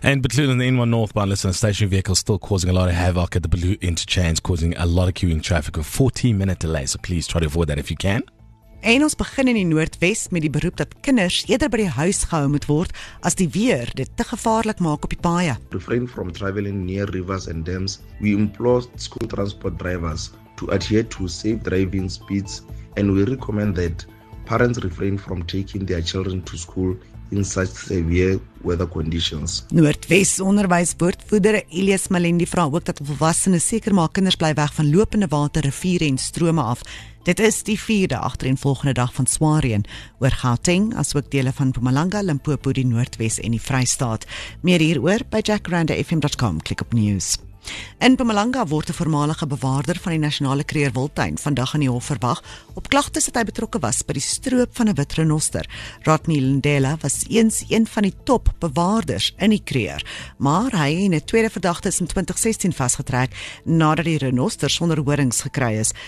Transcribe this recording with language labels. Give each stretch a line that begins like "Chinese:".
English: And between the N1 northbound listener station vehicles still causing a lot of havoc at the Blue Interchange, causing a lot of queuing traffic with 14 minute delay. So please try to avoid that if you can.
Afrikaans: En ons begin in die Noordwes met die beroep dat kinders eerder by die huis gehou moet word as die weer dit te gevaarlik maak op die paaie.
English: Refrain from travelling near rivers and dams. We implore school transport drivers to adhere to safe driving speeds and we recommend that parents refrain from taking their children to school in such severe weather conditions.
Afrikaans: Noordwes onderwyswoordvoerder Elias Malendi vra ook dat volwassenes seker maak kinders bly weg van lopende water, riviere en strome af. Dit is die vierde agtereenvolgende dag van swaar reën oor Gauteng, asook dele van Mpumalanga, Limpopo, die Noordwes en die Vrystaat. Meer hieroor by jackrandafm.com. Klik op news. In Mpumalanga word 'n voormalige bewaarder van die Nasionale Kruger Wildtuin vandag in die hof verwag op klagtes dat hy betrokke was by die stroop van 'n wit renoster. Rodney Lindela was eens een van die top bewaarders in die Kruger, maar hy en 'n tweede verdagte is in 2016 vasgetrek nadat die renoster sonder horings gekry is.